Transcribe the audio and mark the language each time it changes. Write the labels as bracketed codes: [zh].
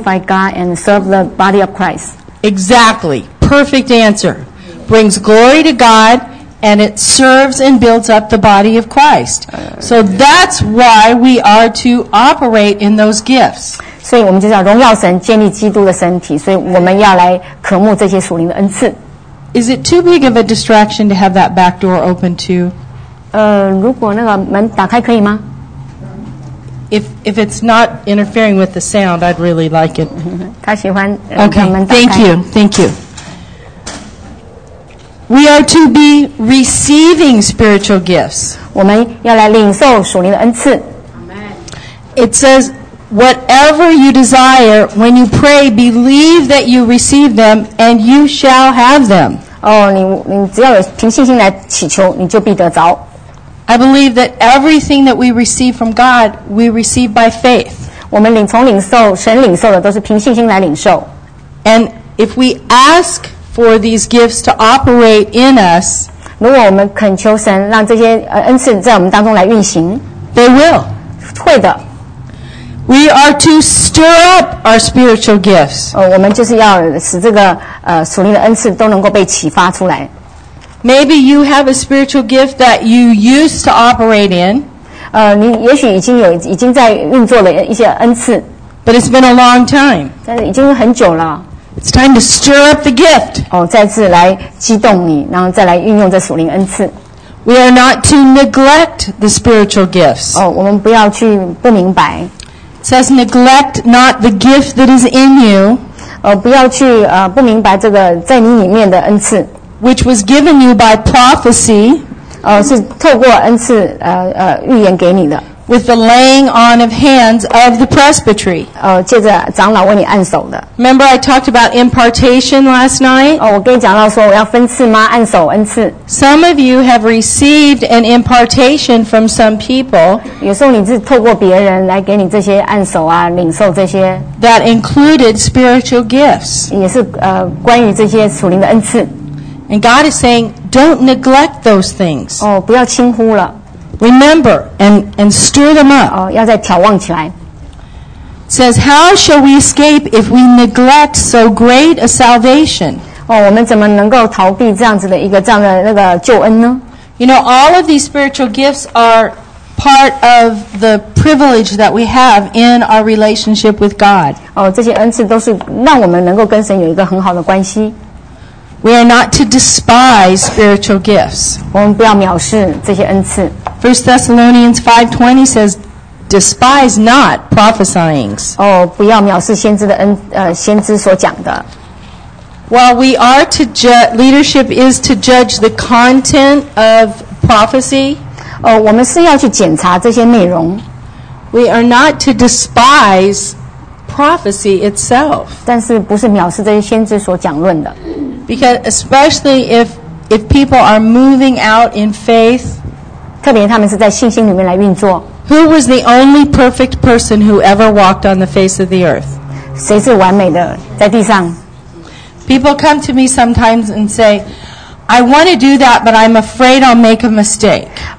[en] Glorify God and serve the body of Christ. Exactly. Perfect answer. Brings glory to God and it serves and builds up the body of Christ. So that's why we are to operate in those gifts. [zh] 所以我们就叫荣耀神建立基督的身体所以我们要来渴慕这些属灵的恩赐 [en] Is it too big of a distraction to have that back door open to? [zh] 如果那个门打开可以吗 [en] if it's not interfering with the sound, I'd really like it. [zh] 他喜欢 [en] Okay, thank you. We are to be receiving spiritual gifts. [zh] 我们要来领受属灵的恩赐 [en] It says,Whatever you desire, when you pray, believe that you receive them, and you shall have them. [zh] 哦，你只要有凭信心来祈求，你就必得着。 [en] I believe that everything that we receive from God, we receive by faith. [zh] 我们从神领受的都是凭信心来领受。 [en] And if we ask for these gifts to operate in us, [zh] 如果我们恳求神让这些恩赐在我们当中来运行 [en] ，they will. [zh] 会的。 [en] We are to stir up our spiritual gifts. [zh] 我们就是要使这个属灵的恩赐都能够被启发出来。 [en] Maybe you have a spiritual gift that you used to operate in. [zh] 你也许已经在运作了一些恩赐。 [en] But it's been a long time. [zh] 但是已经很久了。 [en] It's time to stir up the gift. [zh] 再次来激动你，然后再来运用这属灵恩赐。 [en] We are not to neglect the spiritual gifts. [zh] 我们不要去不明白。 [en] says neglect not the gift that is in you. [zh] 不要去不明白这个在你里面的恩赐。 [en] Which was given you by prophecy. [zh] 是透过恩赐预言给你的。 [en] With the laying on of hands of the presbytery. [zh] 借着长老为你按手的。 [en] Remember I talked about impartation last night? [zh] 我跟长老说我要分赐吗？按手恩赐。 [en] Some of you have received an impartation from some people. [zh] 有时候你是透过别人来给你这些按手啊，领受这些。 [en] That included spiritual gifts. [zh] 也是关于这些属灵的恩赐。 [en] And God is saying, don't neglect those things. [zh] 不要轻忽了。 [en] Remember and stir them up. [zh] 要再挑旺起来。 [en] Says, how shall we escape if we neglect so great a salvation? [zh] 我们怎么能够逃避这样子的一个这样的那个救恩呢？ [en] You know, all of these spiritual gifts are part of the privilege that we have in our relationship with God. [zh] 这些恩赐都是让我们能够跟神有一个很好的关系。 [en] We are not to despise spiritual gifts. [zh] 我们不要藐视这些恩赐。 [en] 1 Thessalonians 5:20 says, despise not prophesyings. [zh] 不要藐视先知的恩先知所讲的。 [en] While we are to leadership is to judge the content of prophecy. [zh] 我们是要去检查这些内容。 [en] We are not to despise prophecy itself. [zh] 但是不是藐视这些先知所讲论的。 [en] Because especially if people are moving out in faith, [zh] 特别他们是在信心里面来运作。 [en] Who was the only perfect person who ever walked on the face of the earth? [zh] 谁是完美的在地上 [en] ？People come to me sometimes and say, "I want to do that, but I'm afraid I'll make a mistake."